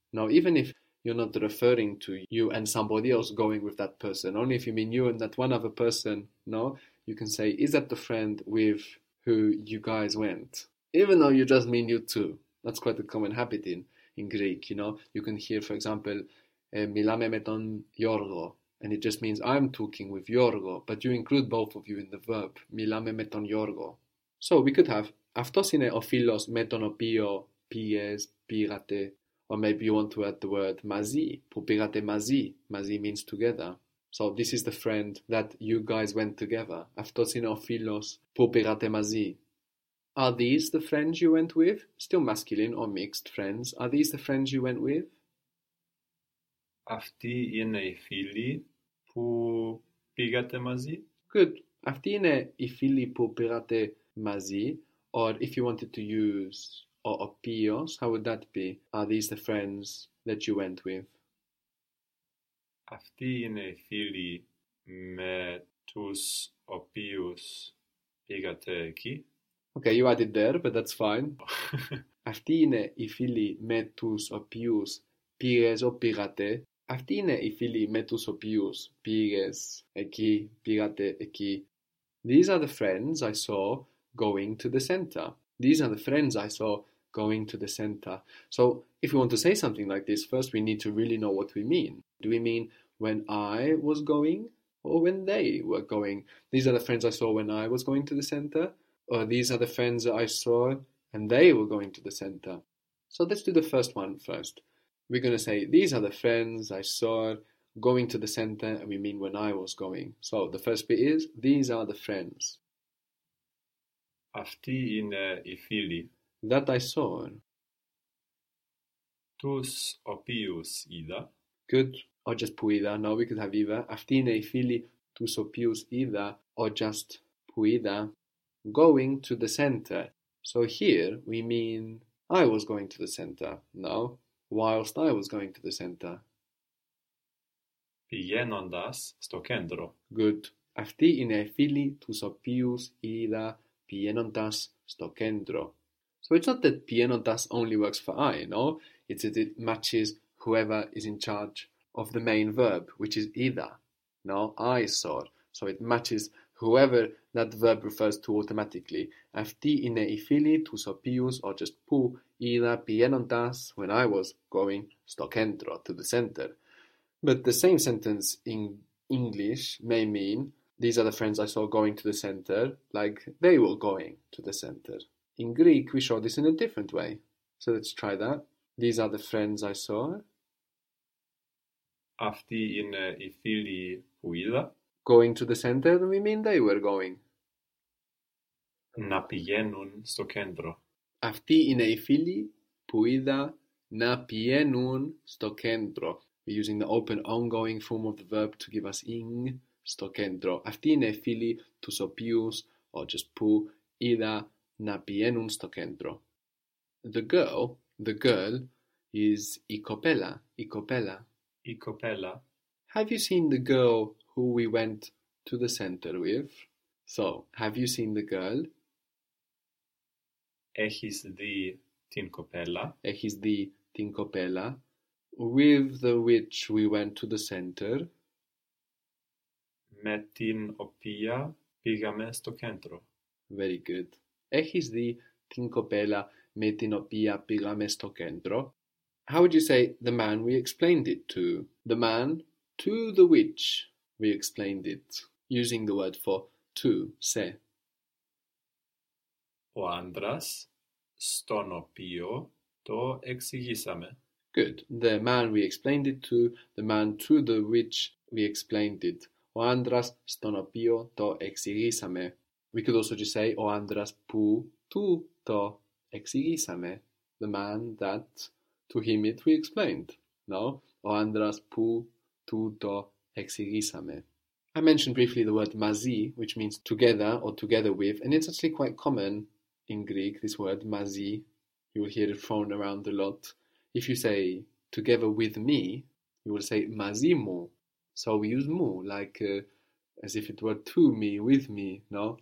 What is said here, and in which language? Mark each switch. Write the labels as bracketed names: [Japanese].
[English] Now, even if you're not referring to you and somebody else going with that person, only if you mean you and that one other person, no, you can say, is that the friend with who you guys went? Even though you just mean you two. That's quite a common habit in Greek, you know. You can hear, for example, [Greek] Milame meton Yorgo, [English] and it just means I'm talking with Yorgo, but you include both of you in the verb, Milame meton Yorgo. So we could have, [Greek] Αυτός είναι ο φίλος με τον οποίο πιες, πήγατε. [English] Or maybe you want to add the word μαζί, [Greek] που πήγατε μαζί. [English] Μαζί means together. So this is the friend that you guys went together. [Greek] Αυτός είναι ο φίλος που πήγατε μαζί. [English] Are these the friends you went with? Still masculine or mixed friends. Are these the friends you went with? [Greek] Αυτοί είναι οι φίλοι που πήγατε μαζί. [English] Good. [Greek] Αυτοί είναι οι φίλοι που πήγατε μαζί. [English] Or if you wanted to use ο πίος, how would that be? Are these the friends that you went with? [Greek] Αυτοί είναι οι φίλοι με τους οποίους πήγατε εκεί. [English] Okay, you added there, but that's fine. [Greek] Αυτοί είναι οι φίλοι με τους οποίους πήγες ο πήγατε. Αυτοί είναι οι φίλοι με τους οποίους πήγες εκεί, πήγατε εκεί. [English] These are the friends I saw going to the center. These are the friends I saw going to the center. So if we want to say something like this, first we need to really know what we mean. Do we mean when I was going or when they were going? These are the friends I saw when I was going to the center. Or these are the friends I saw and they were going to the center. So let's do the first one first. We're going to say these are the friends I saw going to the center, and we mean when I was going. So the first bit is these are the friends. [Greek] Αυτοί είναι οι φίλοι. [English] That I saw. [Greek] Τους οποίους είδα. [English] Good. Or just [Greek] που είδα. [English] No, we could have είδα. [Greek] Αυτοί είναι οι φίλοι τους οποίους είδα. [English] Or just [Greek] που είδα. [English] Going to the center. So here we mean I was going to the center. No, whilst I was going to the center. [Greek] Πηγαίνοντας στο κέντρο. [English] Good. [Greek] Αυτοί είναι οι φίλοι τους οποίους είδα. Πηγαίνοντας στο κέντρο. [English] So it's not that πηγαίνοντας only works for I, no? It's that it matches whoever is in charge of the main verb, which is είδα. No, I saw. So it matches whoever that verb refers to automatically. [Greek] Αυτοί είναι οι φίλοι τους οποίους, [English] or just [Greek] που, είδα πηγαίνοντας [English] when I was going [Greek] στο κέντρο, [English] to the center. But the same sentence in English may mean these are the friends I saw going to the center, like they were going to the center. In Greek, we show this in a different way. So let's try that. These are the friends I saw. [Greek] Αυτοί είναι οι φίλοι που είδα. [English] Going to the center, we mean they were going. [Greek] Να πηγαίνουν στο κέντρο. Αυτοί είναι οι φίλοι που είδα να πηγαίνουν στο κέντρο. [English] We're using the open ongoing form of the verb to give us ing. [Greek] Στο κέντρο. Αυτοί είναι φίλοι τους οποίους, or just που, είδα να πηγαίνουν στο κέντρο. [English] The girl, the girl, is [Greek] η κοπέλα, η κοπέλα. Η κοπέλα. [English] Have you seen the girl who we went to the center with? So, have you seen the girl? [Greek] Έχεις δει την κοπέλα. Έχεις δει την κοπέλα. [English] With the which we went to the center. [Greek] Με την οποία πήγαμε στο κέντρο. [English] Very good. [Greek] Έχεις δει την κοπέλα με την οποία πήγαμε στο κέντρο? [English] How would you say the man we explained it to? The man to the which we explained it. Using the word for to, σε. [Greek] Ο άντρας στον οποίο το εξηγήσαμε. [English] Good. The man we explained it to, the man to the which we explained it. [Greek] Ο άντρας στον οποίο το εξηγήσαμε. [English] We could also just say, [Greek] ο άντρας που του το εξηγήσαμε. [English] The man that to him it we explained. No? [Greek] Ο άντρας που του το εξηγήσαμε. [English] I mentioned briefly the word μαζί, which means together or together with, and it's actually quite common in Greek, this word mazi, you will hear it thrown around a lot. If you say together with me, you will say [Greek] mazi mou. [English] So we use mou like as if it were to me, with me, no?